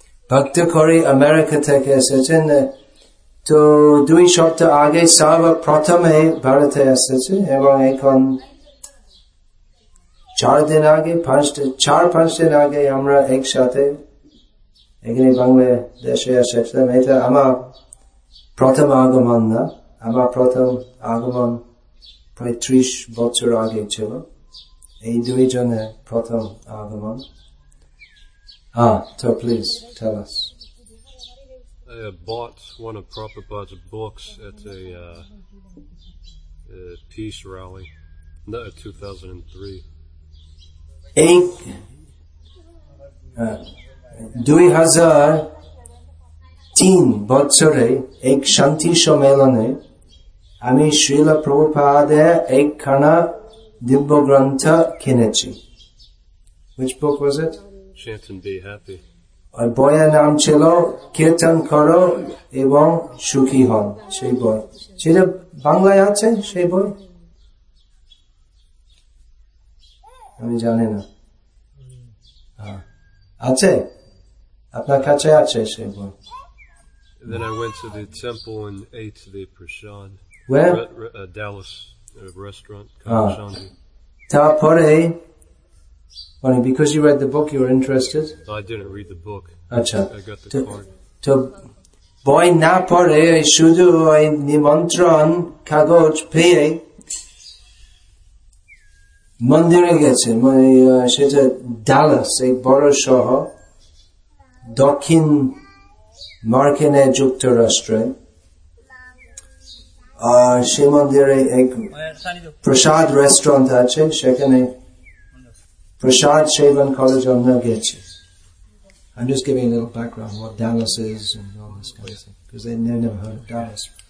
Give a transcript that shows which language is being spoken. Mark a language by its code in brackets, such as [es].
[bn] ভক্ত করি আমেরিকা থেকে এসেছেন, তো দুই সপ্তাহ আগে সর্বপ্রথমে ভারতে এসেছে এবং এখন চার পাঁচ দিন আগে আমরা একসাথে এখানে বাংলাদেশে এসেছিলাম। এটা আমার প্রথম আগমন না, আমার প্রথম আগমন প্রায় 30 বছর আগে ছিল, এই দুইজনের প্রথম আগমন। [en] তো please tell us. I bought one of Prabhupada's books at a peace rally, 2003. [bn] দুই হাজার তিন বছরে এক শান্তি সম্মেলনে আমি শ্রীল প্রভুপাদের একখানা দিব্য গ্রন্থ কিনেছি। [en] Which book was it? Chant and be happy. আর বইয়ের নাম ছিল কীর্তন করো এবং সুখী হন, সেই বই। [bn] সেটা বাংলায় আছে সেই বই? আমি জানি না। আছে আপনার কাছে? আছে সেই বই। [en] Then I went to the temple and ate the prasad. Where? Dallas restaurant. [bn] তারপরে, মানে [en] because you read the book, you were interested? I didn't read the book. [bn] আচ্ছা. [en] I got the card. [bn] তো বই না পড়ে শুধু ওই নিমন্ত্রণ কাগজ পেয়ে মন্দিরে গেছে, মানে সেটা ডালাস, এই বড় শহর দক্ষিণ মার্কিন যুক্তরাষ্ট্রে। আর সে মন্দিরে এক প্রসাদ রেস্টুরেন্ট আছে, সেখানে প্রসাদ সেবন করার জন্য গেছে। [en] I'm just giving a little background what Dallas is and all this kind of thing, because they never heard of Dallas.